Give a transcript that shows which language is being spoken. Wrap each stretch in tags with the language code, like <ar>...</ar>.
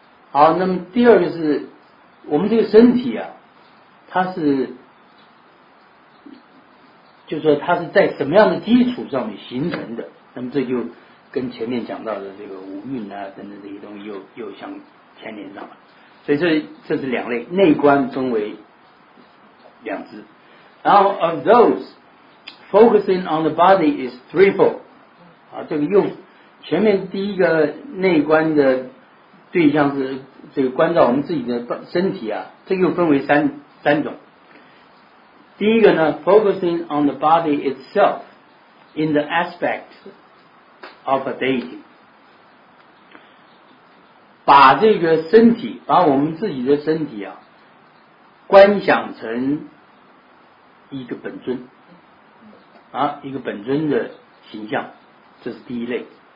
<zh>好，那么第二个是我们这个身体啊，它是就是说它是在什么样的基础上面形成的，那么这就跟前面讲到的这个五蕴啊等等这些东西又相牵连上了。所以这是两类，内观分为两支。然后</zh> <en>of those, focusing on the body is threefold.</en> <zh>啊，这个又前面第一个内观的对象是这个观照我们自己的身体啊，这又分为三种。第一个呢 ,</zh> <en>focusing on the body itself in the aspect of a deity,</en> <zh>把这个身体，把我们自己的身体啊，观想成一个本尊，啊，一个本尊的形象，这是第一类。</zh>